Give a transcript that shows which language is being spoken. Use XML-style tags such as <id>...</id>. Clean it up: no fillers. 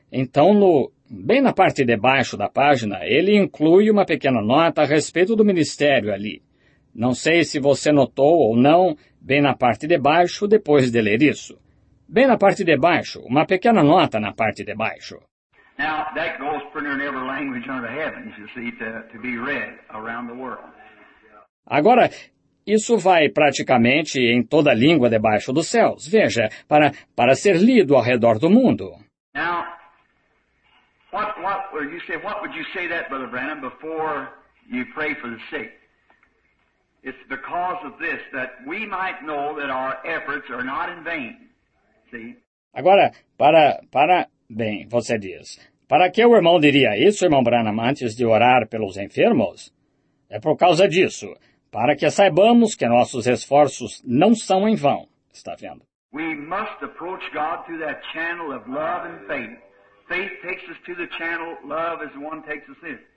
<pt>Então, no, bem na parte de baixo da página, ele inclui uma pequena nota a respeito do ministério ali. Não sei se você notou ou não, bem na parte de baixo, depois de ler isso. Bem na parte de baixo, uma pequena nota na parte de baixo.</pt> <en>Now, that goes pretty near every language under the heavens, you see, to be read around the world.</en> <pt>Agora, isso vai praticamente em toda a língua debaixo dos céus, veja, para ser lido ao redor do mundo.</pt> <en>Now, what would you say that, Brother Branham, before you pray for the sick? It's because of this, that we might know that our efforts are not in vain, see?</en> <pt>Agora, bem, você diz, para que o irmão diria isso, irmão Branham, antes de orar pelos enfermos? É por causa disso, para que saibamos que nossos esforços não são em vão, está vendo?</pt> <en>We must approach God through that channel of love and faith. Faith takes us to the channel, love is the one takes us in.</en>